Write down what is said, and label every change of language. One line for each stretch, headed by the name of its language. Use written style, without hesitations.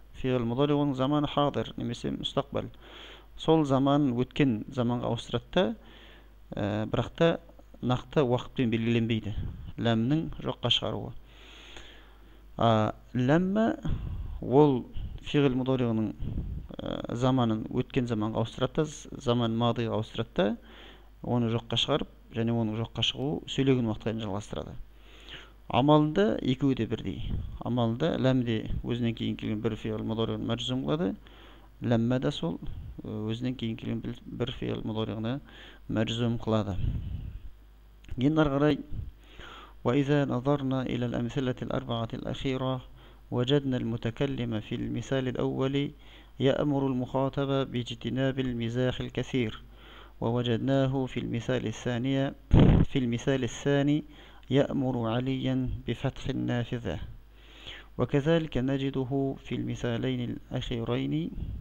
Kazakh: Fiil mudari onun zamanı hazır nemese müstakbel. Сол заман өткен заманға ауыстырады да, бірақ та нақты уақытпен белгіленбейді. Ләмнің жоққа шығаруы. Ләмі ол фиғыл мұдариғының заманын өткен заманға ауыстырады да, заман мадыға ауыстырады да, оны жоққа шығарып, және оның жоққа шығуы сөйлеген уақытқа жалғастырады. Амалында екеуі де бірдей. Амалында ләмде өзінен кейін келген бір фиғыл мұдариғын мәжзүм қылады. Ләмме де сол өзінен кейін келген бір фиғыл мұдариғына мәжзүм қылады. Енді ары қарай
Arabic: وإذا نظرنا إلى الأمثلة الأربعة الأخيرة وجدنا المتكلم في المثال الأول يأمر المخاطب باجتناب المزاح الكثير ووجدناه في المثال الثاني يأمر عليا بفتح النافذة وكذلك نجده في المثالين الأخيرين